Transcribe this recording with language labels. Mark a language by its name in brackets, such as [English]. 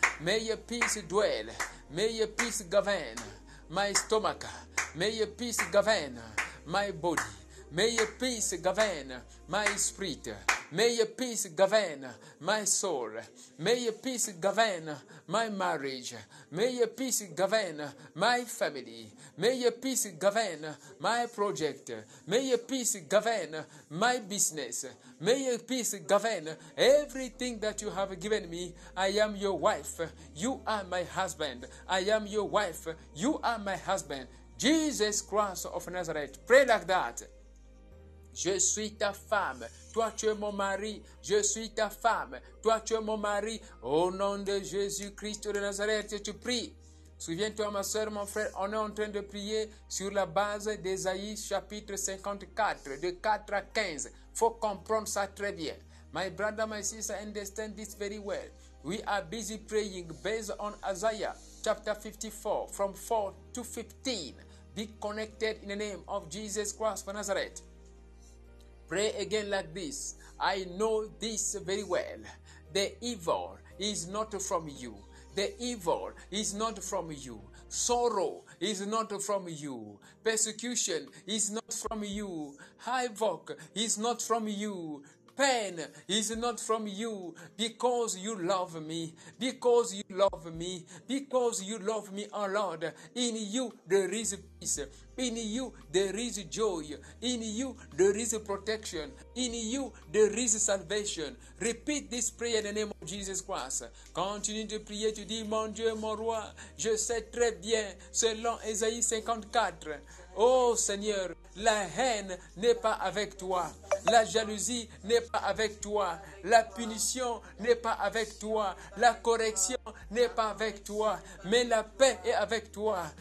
[English] May peace dwell, may peace govern my stomach, may peace govern my body, may peace govern my spirit, may peace govern my soul, may peace govern my marriage, may peace govern my family, may peace govern my project, may peace govern my business, may peace govern everything that you have given me. I am your wife, you are my husband, I am your wife, you are my husband. Jesus Christ of Nazareth, pray like that. [French] Je suis ta femme, toi tu es mon mari, je suis ta femme, toi tu es mon mari, au nom de Jésus-Christ de Nazareth, tu pries. Souviens-toi, ma soeur, mon frère, on est en train de prier sur la base d'Ésaïe chapitre 54, de 4 à 15. Faut comprendre ça très bien. [English] My brother, my sister, understand this very well. We are busy praying based on Isaiah chapter 54, from 4 to 15. Be connected in the name of Jesus Christ for Nazareth. Pray again like this. I know this very well. The evil is not from you. The evil is not from you. Sorrow is not from you. Persecution is not from you. Havoc is not from you. Pain is not from you. Because you love me. Because you love me. Because you love me, O Lord. In you there is peace. In you there is joy. In you there is protection. In you there is salvation. Repeat this prayer in the name of Jesus Christ. [French] Continue de prier. Tu dis, mon Dieu, mon roi, je sais très bien, selon Ésaïe 54. Oh Seigneur, la haine n'est pas avec toi. La jalousie n'est pas avec toi. La punition n'est pas avec toi. La correction n'est pas avec toi. Mais la paix est avec toi.